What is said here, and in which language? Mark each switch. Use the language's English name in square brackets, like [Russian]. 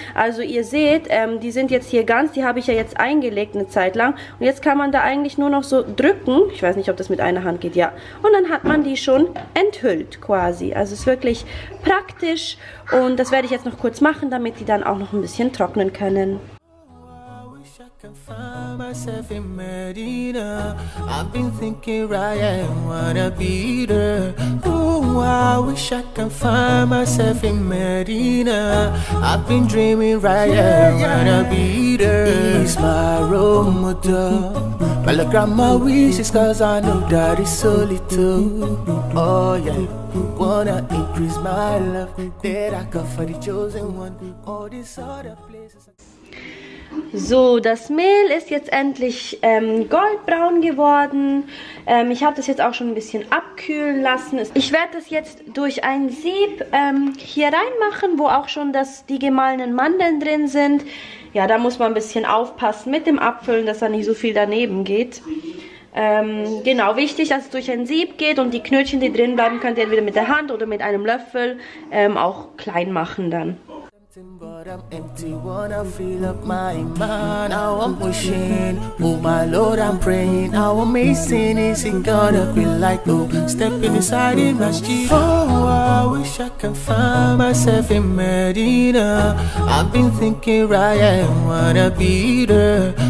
[German] Also ihr seht, die sind jetzt hier ganz, die habe ich ja jetzt eingelegt eine Zeit lang. Und jetzt kann man da eigentlich nur noch so drücken. Ich weiß nicht, ob das mit einer Hand geht, ja. Und dann hat man die schon enthüllt quasi. Also es ist wirklich praktisch. Und das werde ich jetzt noch kurz machen, damit die dann auch noch ein bisschen trocknen können. [English] Find myself in Medina. I've been thinking right, I wanna be there. Oh, I wish I can find myself in Medina. I've been dreaming right, yeah, yeah, I wanna be there. It's my role model. My little grandma wishes, cause I know that it's so little. Oh yeah, wanna increase my love. That I got for the chosen one. All these other places. [German] So, das Mehl ist jetzt endlich goldbraun geworden. Ich habe das jetzt auch schon ein bisschen abkühlen lassen. Ich werde das jetzt durch ein Sieb hier reinmachen, wo auch schon die gemahlenen Mandeln drin sind. Ja, da muss man ein bisschen aufpassen mit dem Abfüllen, dass da nicht so viel daneben geht. Genau, wichtig, dass es durch ein Sieb geht und die Knötchen, die drin bleiben, könnt ihr entweder mit der Hand oder mit einem Löffel auch klein machen dann. [English] But I'm empty, wanna fill up my mind. Now I'm wishing, oh my Lord, I'm praying. How amazing is it gonna be like, oh, stepping inside in my street. Oh, I wish I can find myself in Medina. I've been thinking right, I wanna be there.